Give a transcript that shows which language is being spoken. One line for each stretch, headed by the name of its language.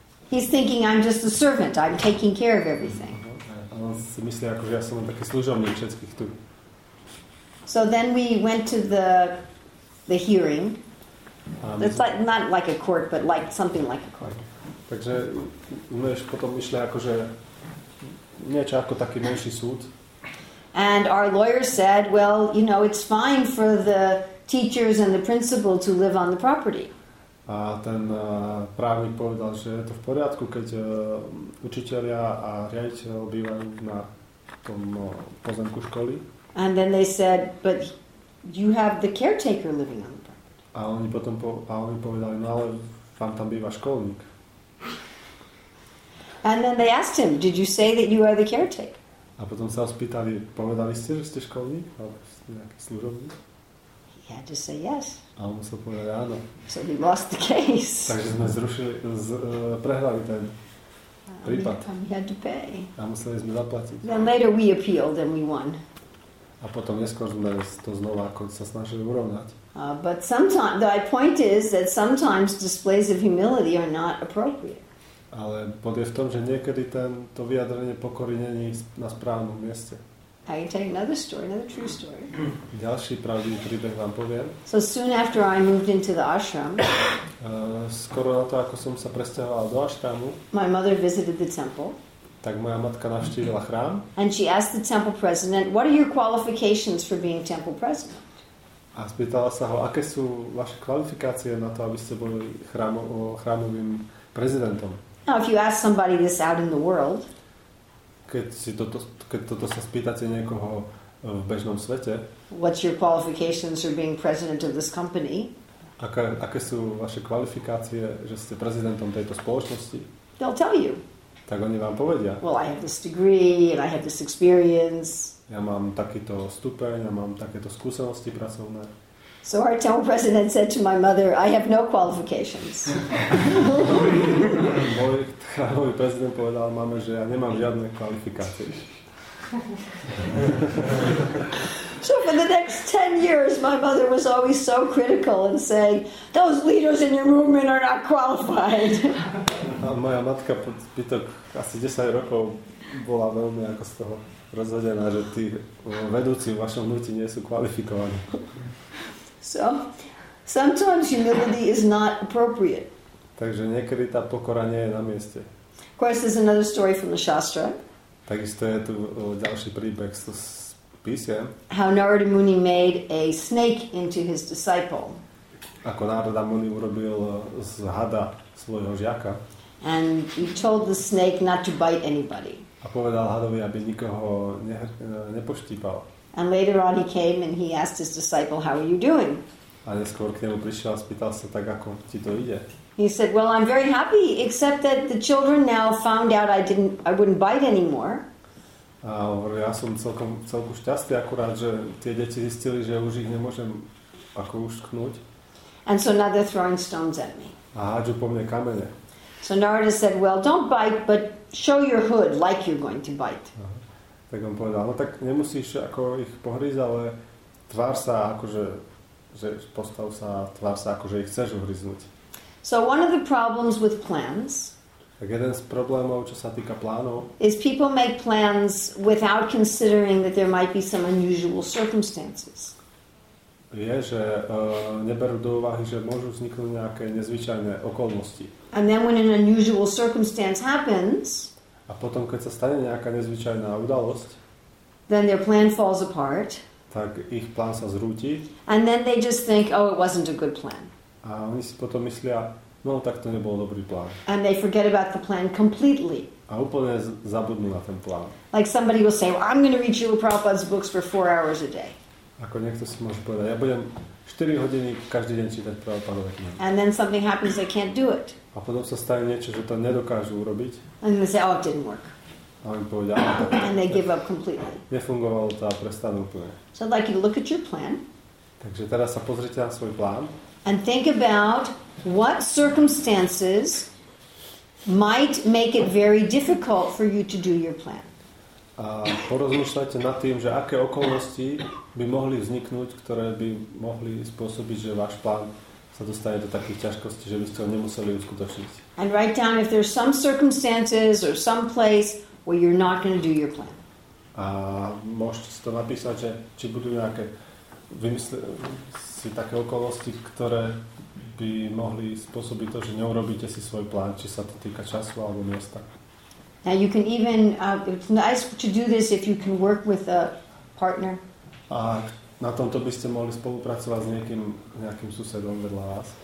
English: He's thinking, I'm just a servant. I'm taking care of everything.
Slovak: A on si myslí, akože ja som taký služobník všetkých tu.
English: So then we went to the hearing. It's like, not like a court, but like something like a court.
Slovak: Takže sme potom išli akože niečo ako taký menší súd.
English: And our lawyer said, well, you know, it's fine for the teachers and the principal to live on the property.
Slovak: A ten právnik povedal, že je to v poriadku, keď učitelia a riaditeľ bývajú na tom pozemku školy.
English: And then they said, but you have the caretaker living on the property.
Slovak: A oni potom povedali, no ale vám tam býva školník.
English: And then they asked him, did you say that you are the caretaker?
Slovak: A potom sa spýtali, povedali ste, že ste školník? Alebo ste nejaký služobník?
English: He had to say yes.
Slovak: A on musel povedať áno.
English: So we lost the case.
Slovak: Takže sme prehrali ten prípad.
English: We had to pay.
Slovak: A museli sme zaplatiť.
English: Then later we appealed and we won.
Slovak: A potom neskôr sme to znova ako sa snažili urovnať.
English: But sometimes, the point is that sometimes displays of humility are not appropriate.
Slovak: Ale bod je v tom, že niekedy to vyjadrenie pokory nie je na správnom mieste.
English: I can tell you another story, another true story.
Slovak: Ďalší pravdivý príbeh vám poviem.
English: So soon after I moved into the ashram,
Slovak: skoro na to, ako som sa presťahoval do ashramu,
English: my mother visited the temple.
Slovak: Tak moja matka navštívila chrám.
English: And she asked the temple president, what are your qualifications for being temple president?
Slovak: A spýtala sa ho, aké sú vaše kvalifikácie na to, aby ste boli chrámovým prezidentom.
English: Now, if you ask somebody this out in the world,
Slovak: keď toto sa spýtate niekoho v bežnom svete,
English: what's your qualifications for being president of this company?
Slovak: Aké sú vaše kvalifikácie, že ste prezidentom tejto spoločnosti?
English: They'll tell you.
Slovak: Tak oni vám povedia.
English: Well, I have this degree and I have this experience.
Slovak: Ja mám takýto stupeň, ja mám takéto skúsenosti pracovné.
English: So our town president said to my mother, I have no qualifications.
Slovak: Môj chrámový prezident povedal mame, že ja nemám žiadne kvalifikácie.
English: So for the next 10 years, my mother was always so critical and saying, those leaders in your movement are not qualified.
Slovak: A moja matka po zbytok asi 10 rokov bola veľmi ako z toho rozhodená, že tí vedúci v vašom hnutí nie sú kvalifikovaní.
English: So, sometimes humility is not appropriate.
Slovak: Takže niekedy tá pokora nie je na mieste.
English: Of course, there's another story from the Shastra.
Slovak: Takisto je tu ďalší príbeh z písiem.
English: How Narada Muni made a snake into his disciple.
Slovak: Ako Narada Muni urobil z hada svojho žiaka.
English: And he told the snake not to bite anybody.
Slovak: A povedal hadovi, aby nikoho nepoštípal.
English: And later on he came and he asked his disciple, how are you doing?
Slovak: A neskôr k nemu prišiel a spýtal sa, tak ako ti to ide?
English: He said, well, I'm very happy, except that the children now found out I wouldn't bite anymore.
Slovak: A hovoril, ja som celku šťastný, akurát, že tie deti zistili, že už ich nemôžem ako uštknúť.
English: And so now they're throwing stones at me.
Slovak: A hádžu po mne kamene.
English: So Narada said, well, don't bite, but show your hood like you're going to bite.
Slovak: Tak on povedal, no tak nemusíš ako ich pohrýzť, ale tvár sa akože, že postav sa, tvár sa akože ich chceš uhryznúť.
English: So one of the problems with plans
Slovak: Tak jeden z problémov, čo sa týka plánov,
English: is people make plans without considering that there might be some unusual circumstances.
Slovak: Je, že neberú do úvahy, že môžu vzniknúť nejaké nezvyčajné okolnosti.
English: And then when an unusual circumstance happens,
Slovak: a potom, keď sa stane nejaká nezvyčajná udalosť,
English: then their plan falls apart,
Slovak: tak ich plán sa zrúti,
English: and then they just think, oh, it wasn't a good plan.
Slovak: A oni si potom myslia, no, tak to nebol dobrý plán.
English: And they forget about the plan completely.
Slovak: A úplne zabudnú na ten plán.
English: Like somebody will say, well, I'm going to read Srila Prabhupada's books for 4 hours a day.
Slovak: Ako niekto si môže povedať, ja budem 4 hodiny každý deň čítať Prabhupadove knihy.
English: And then something happens, they can't do it.
Slovak: A potom sa stane niečo, že to nedokážu urobiť.
English: And they say, oh, it didn't work.
Slovak: A oni povedia, ah, tak,
English: and they give up completely.
Slovak: Nefungovalo to a prestanú úplne.
English: So I'd like you to look at your plan.
Slovak: Takže teraz sa pozrite na svoj plán.
English: And think about what circumstances might make it very difficult for you to do your plan.
Slovak: A porozmýšľajte nad tým, že aké okolnosti by mohli vzniknúť, ktoré by mohli spôsobiť, že váš plán sa dostane do takých ťažkostí, že by ste ho nemuseli uskutočniť.
English: And write down if there's some circumstances or some place where you're not going to do your plan.
Slovak: A môžete si to napísať, že či budú nejaké si také okolnosti, ktoré by mohli spôsobiť to, že neurobíte si svoj plán, či sa to týka času alebo miesta.
English: Now you can even it's nice to do this if you can work with a partner.
Slovak: A na tomto by ste mohli spolupracovať s nejakým susedom vedľa vás.